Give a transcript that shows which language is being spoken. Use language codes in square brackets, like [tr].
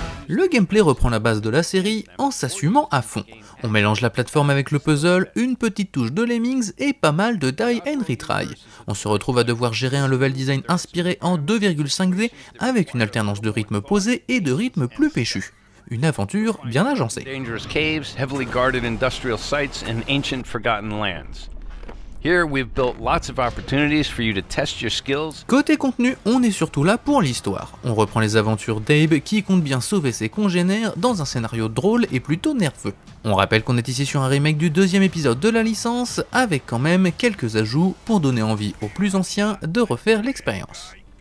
[fr] Le gameplay reprend la base de la série en s'assumant à fond. On mélange la plateforme avec le puzzle, une petite touche de Lemmings et pas mal de Die and Retry. On se retrouve à devoir gérer un level design inspiré en 2,5D avec une alternance de rythme posé et de rythme plus péchu. Une aventure bien agencée. [en] Dangerous caves, heavily guarded industrial sites and ancient forgotten lands. Here we've built lots of opportunities for you to test your skills. [fr] Côté contenu, on est surtout là pour l'histoire. On reprend les aventures d'Abe qui compte bien sauver ses congénères dans un scénario drôle et plutôt nerveux. On rappelle qu'on est ici sur un remake du deuxième épisode de la licence, avec quand même quelques ajouts pour donner envie aux plus anciens de refaire l'expérience.